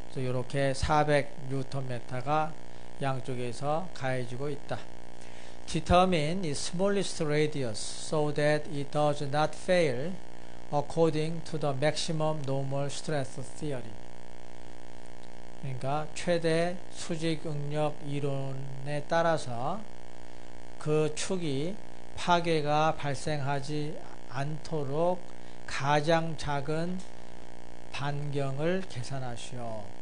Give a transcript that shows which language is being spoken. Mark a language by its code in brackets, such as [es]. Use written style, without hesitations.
[ko] 이렇게 400 Nm가 양쪽에서 가해지고 있다. [en] Determine its smallest radius so that it does not fail according to the maximum normal stress theory. [ko] 그러니까 최대 수직 응력 이론에 따라서 그 축이 파괴가 발생하지 않도록 가장 작은 반경을 계산하시오.